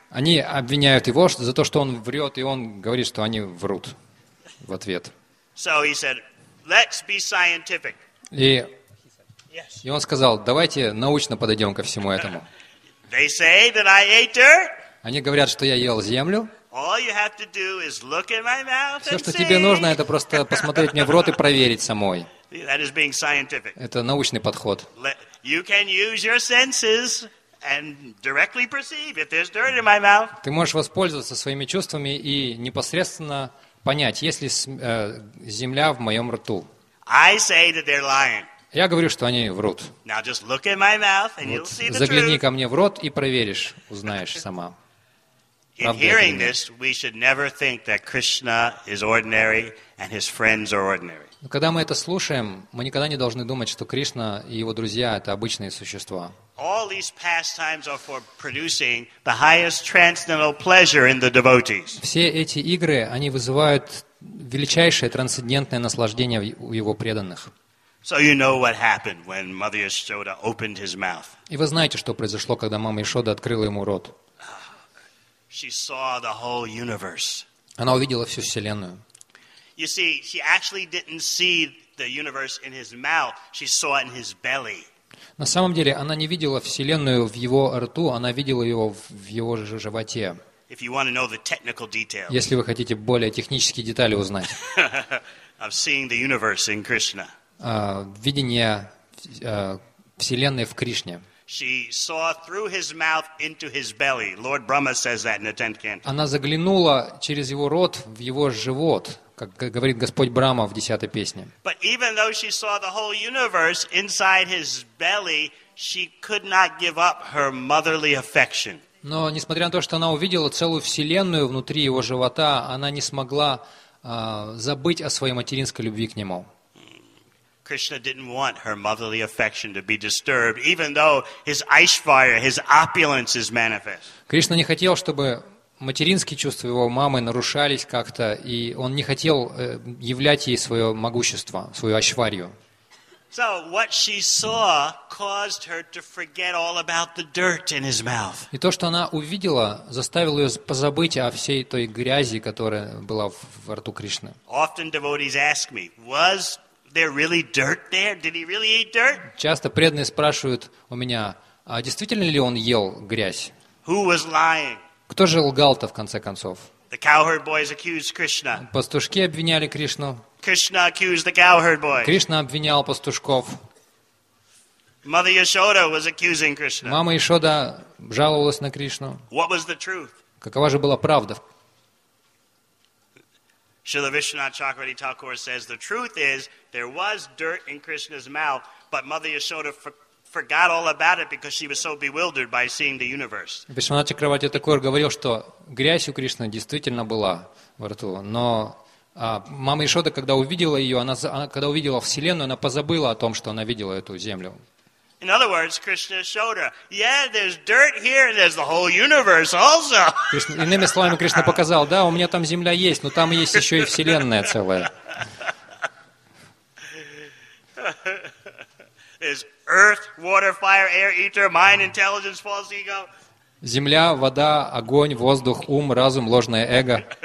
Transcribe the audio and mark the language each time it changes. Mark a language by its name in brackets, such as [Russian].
[Russian] Они обвиняют его за то, что он врет, и он говорит, что они врут в ответ. [English] So he said, let's be scientific. [Russian] И он сказал, давайте научно подойдем ко всему этому. [English] They say that I ate dirt. [Russian] Они говорят, что я ел землю. [English] All you have to do is look in my mouth and [Russian] Все, что тебе нужно, это просто посмотреть мне в рот и проверить самой. [English] That is being scientific. [Russian] Это научный подход. [English] You can use your senses and directly perceive if there's dirt in my mouth. [Russian] Ты можешь воспользоваться своими чувствами и непосредственно понять, есть ли земля в моем рту. [English] I say that they're lying. [Russian] Я говорю, что они врут. [English] Now just look in my mouth and you'll see the [Russian] загляни [English] truth. [Russian] Ко мне в рот и проверишь, узнаешь сама. [English] In hearing this, we should never think that Krishna is ordinary and his friends are ordinary. [Russian] Когда мы это слушаем, мы никогда не должны думать, что Кришна и его друзья — это обычные существа. [English] All these pastimes are for producing the highest transcendental pleasure in the devotees. [Russian] Все эти игры, они вызывают величайшее трансцендентное наслаждение у его преданных. [English] So you know what happened when Mother Yashoda opened his mouth. [Russian] И вы знаете, что произошло, когда мама Яшода открыла ему рот. [English] She saw the whole universe. [Russian] Она увидела всю вселенную. [English] You see, she actually didn't see the universe in his mouth. She saw it in his belly. [Russian] На самом деле, она не видела вселенную в его рту, она видела ее в его же животе. [English] If you want to know the technical details. [Russian] Если вы хотите более технические детали узнать. [English] Of seeing the universe in Krishna. [Russian] Видение вселенной в Кришне. [English] She saw through his mouth into his belly. Lord Brahma says that in the 10th canto. [Russian] Она заглянула через его рот в его живот, как говорит Господь Брама в 10-й песне. [English] But even though she saw the whole universe inside his belly, she could not give up her motherly affection. [Russian] Но несмотря на то, что она увидела целую вселенную внутри его живота, она не смогла забыть о своей материнской любви к нему. [English] Krishna didn't want her motherly affection to be disturbed, even though his Aishvarya, his opulence is manifest. [Russian] Кришна не хотел, чтобы материнские чувства его мамы нарушались как-то, и он не хотел являть ей свое могущество, свою Айшварью. [English] So what she saw caused her to forget all about the dirt in his mouth. [Russian] И то, что она увидела, заставило ее позабыть о всей той грязи, которая была в рту Кришны. [English] Often devotees ask me, was there really dirt there? Did he really eat dirt? [Russian] Часто преданные спрашивают у меня, а действительно ли он ел грязь? [English] Who was lying? [Russian] Кто же лгал-то в конце концов? [English] The cowherd boys accused Krishna. [Russian] Пастушки обвиняли Кришну. [English] Krishna accused the cowherd boys. [Russian] Кришна обвинял пастушков. [English] Mother Yashoda was accusing Krishna. [Russian] Мама Яшода жаловалась на Кришну. [English] What was the truth? [Russian] Какова же была правда? [English] Srila Vishwanath Chakravarti Thakur says the truth is there was dirt in Krishna's mouth, but Mother Yashoda forgot all about it because she was so bewildered by seeing the universe. [Russian] Vishwanath Chakravarti Thakur говорил, что грязь у Кришны действительно была во рту, но мама Яшода, когда увидела ее, когда увидела вселенную, она позабыла о том, что она видела эту землю. [English] In other words, Krishna showed her, yeah, there's dirt here, and there's the whole universe also. [Russian] Иными словами, Кришна показал, да, у меня там земля есть, но там есть еще и вселенная целая. [English] There's earth, water, fire, air, ether, mind, intelligence, false ego. [Russian] Земля, вода, огонь, воздух, ум, разум, ложное эго.